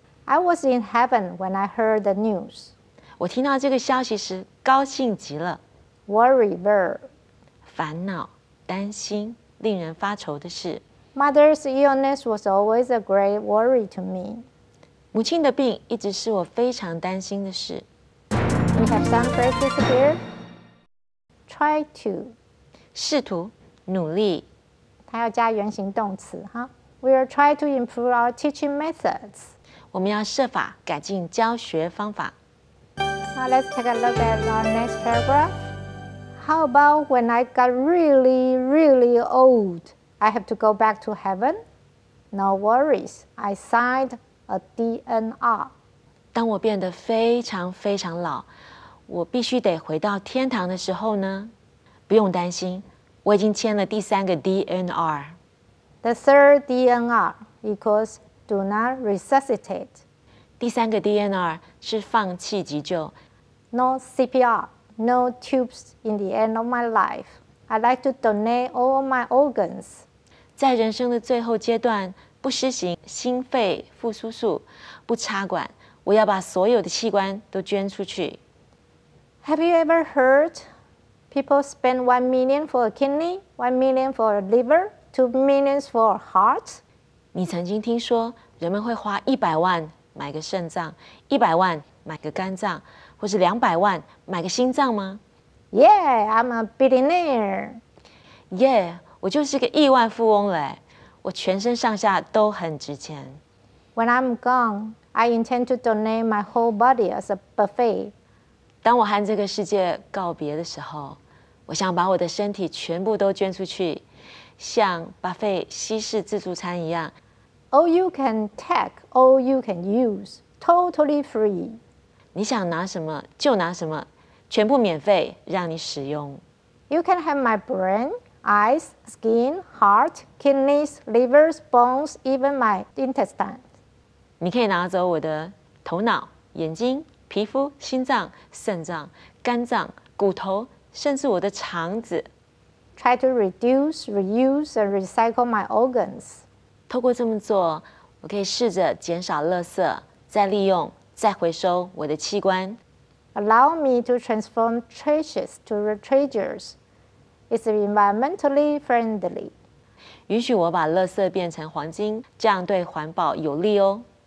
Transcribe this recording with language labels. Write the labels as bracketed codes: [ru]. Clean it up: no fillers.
[en] I was in heaven when I heard the news. [zh] 我听到这个消息时高兴极了。 [en] Worry verb. [zh] 烦恼、担心、令人发愁的事。 [en] Mother's illness was always a great worry to me. [zh] 母亲的病一直是我非常担心的事。 [en] We have some phrases here. Try to. [zh] 试图、努力。它要加原形动词哈。 [en] We'll try to improve our teaching methods. [zh] 我们要设法改进教学方法。 [en] Now let's take a look at our next paragraph. How about when I got really, really old, I have to go back to heaven? No worries, I signed a DNR. [zh] 当我变得非常非常老，我必须得回到天堂的时候呢？不用担心，我已经签了第三个 DNR。 [en] The third DNR equals do not resuscitate. [zh] 第三个 DNR 是放弃急救。 [en] No CPR, no tubes in the end of my life. I'd like to donate all my organs. [zh] 在人生的最后阶段，不施行心肺复苏术，不插管，我要把所有的器官都捐出去。 [en] Have you ever heard people spend $1 million for a kidney, $1 million for a liver? $2 million for heart? [zh] 你曾经听说人们会花100万买个肾脏，100万买个肝脏，或是200万买个心脏吗 [en] ？Yeah, I'm a billionaire. [zh] Yeah, 我就是个亿万富翁嘞！我全身上下都很值钱。 [en] When I'm gone, I intend to donate my whole body as a buffet. [zh] 当我和这个世界告别的时候，我想把我的身体全部都捐出去。像 buffet 西式自助餐一样 [en] ，All you can take, all you can use, totally free. [zh] 你想拿什么就拿什么，全部免费让你使用。 [en] You can have my brain, eyes, skin, heart, kidneys, livers, bones, even my intestines. [zh] 你可以拿走我的头脑、眼睛、皮肤、心脏、肾脏、肝脏、骨头，甚至我的肠子。 [en] Try to reduce, reuse, and recycle my organs. [zh] 透过这么做，我可以试着减少垃圾，再利用，再回收我的器官。 [en] Allow me to transform trashes to treasures. It's environmentally friendly. [zh] 允许我把垃圾变成黄金，这样对环保有利哦。